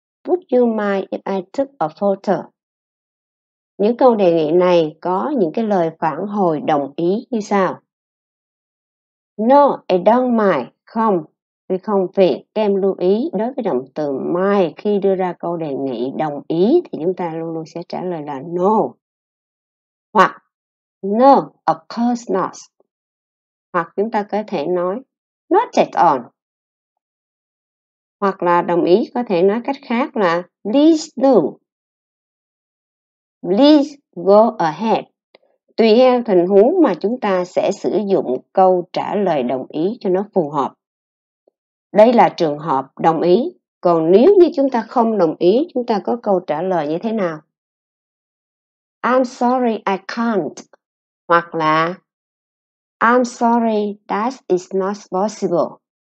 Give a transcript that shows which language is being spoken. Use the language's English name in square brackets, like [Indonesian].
[English] Would you mind if I took a photo? [Vietnamese] Những câu đề nghị này có những cái lời phản hồi đồng ý như sau. [English] No, I don't mind. [Vietnamese] Không. Vì không phiền, các em lưu ý đối với động từ mind khi đưa ra câu đề nghị đồng ý thì chúng ta luôn luôn sẽ trả lời là [English] no. [Vietnamese] Hoặc [English] no, of course not. [Vietnamese] Hoặc chúng ta có thể nói [English] not at all. [Vietnamese] Hoặc là đồng ý có thể nói cách khác là [English] please do. Please go ahead. [Vietnamese] Tùy theo tình huống mà chúng ta sẽ sử dụng câu trả lời đồng ý cho nó phù hợp. Đây là trường hợp đồng ý. Còn nếu như chúng ta không đồng ý, chúng ta có câu trả lời như thế nào? [English] I'm sorry, I can't. [Vietnamese] Hoặc là [English] I'm sorry, that is not possible.